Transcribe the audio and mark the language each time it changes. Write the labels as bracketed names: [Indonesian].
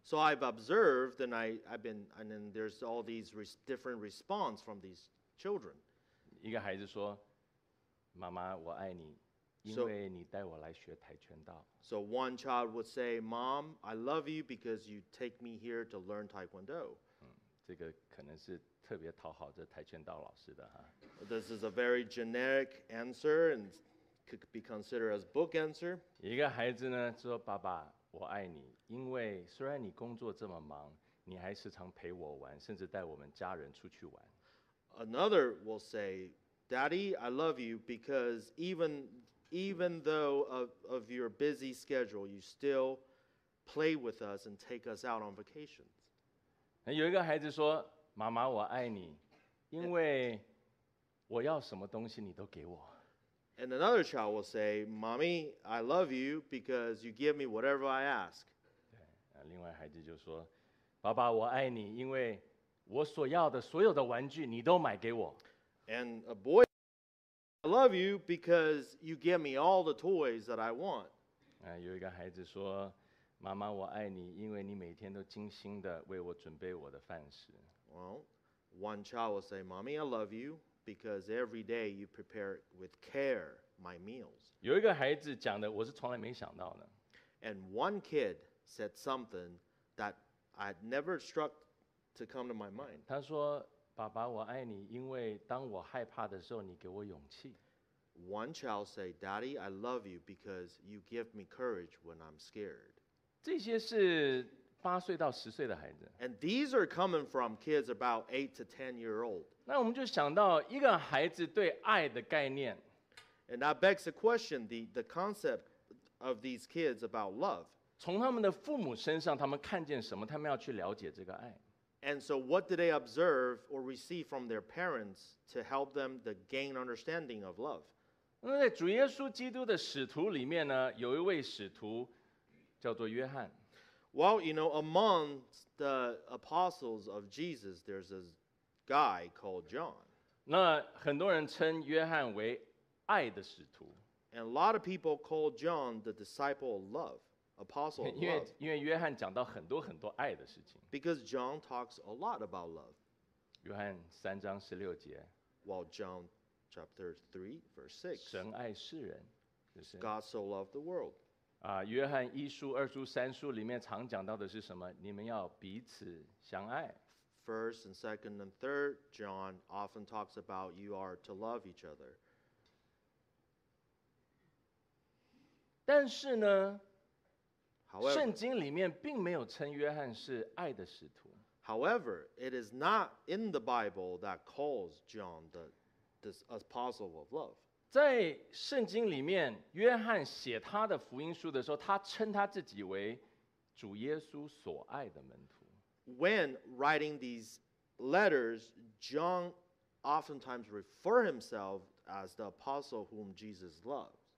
[English] So I've observed and I've been, and then there's all these different response from these children. [Chinese] 一个孩子说，妈妈我爱你，因为你带我来学跆拳道。 [English] So one child would say, Mom, I love you because you take me here to learn Taekwondo. [Chinese] 这个可能是特别讨好这跆拳道老师的哈。 [English] This is a very generic answer and could be considered as book answer. [Chinese] 一个孩子呢说，爸爸我爱你，因为虽然你工作这么忙，你还时常陪我玩，甚至带我们家人出去玩。 [English] Another will say, Daddy, I love you because even though of your busy schedule, you still play with us and take us out on vacations. [Chinese] 有一个孩子说，妈妈我爱你，因为我要什么东西你都给我。 [English] And another child will say, Mommy, I love you because you give me whatever I ask. [Chinese] 另外孩子就说，爸爸我爱你，因为我所要的所有的玩具你都买给我。 [English] And a boy, I love you because you give me all the toys that I want. [Chinese] 有一个孩子说，妈妈我爱你，因为你每天都精心的为我准备我的饭食。 [English] Well, one child will say, Mommy, I love you because every day you prepare with care my meals. [Chinese] 有一个孩子讲的，我是从来没想到的。 [English] And one kid said something that I had never struck to come to my mind. [Chinese] 他说，爸爸我爱你，因为当我害怕的时候，你给我勇气。 [English] One child say, Daddy, I love you because you give me courage when I'm scared. [Chinese] 这些是八岁到十岁的孩子。 [English] And these are coming from kids about 8 to 10 years old. [Chinese] 那我们就想到一个孩子对爱的概念。 [English] And that begs the question, the concept of these kids about love. [Chinese] 从他们的父母身上，他们看见什么，他们要去了解这个爱。 [English] And so what do they observe or receive from their parents to help them to gain understanding of love? [Chinese] 那在主耶稣基督的使徒里面呢，有一位使徒叫做约翰。 [English] Well, you know, among the apostles of Jesus, there's a guy called John. [Chinese] 那很多人称约翰为爱的使徒。 [English] And a lot of people call John the disciple of love, apostle of love. [Chinese] 因为约翰讲到很多很多爱的事情。 [English] Because John talks a lot about love. [Chinese] 约翰三章十六节。 [English] Well, John chapter 3, verse 6. [Chinese] 神爱世人。 [English] God so loved the world. [Chinese] 约翰一书、二书、三书里面常讲到的是什么？你们要彼此相爱。 [English] First and second and third, John often talks about you are to love each other. [Chinese] 但是呢， [English] However, [Chinese] 圣经里面并没有称约翰是爱的使徒。 [English] However, it is not in the Bible that calls John the apostle of love. [Chinese] 在圣经里面，约翰写他的福音书的时候，他称他自己为主耶稣所爱的门徒。 [English] When writing these letters, John oftentimes refer himself as the apostle whom Jesus loves.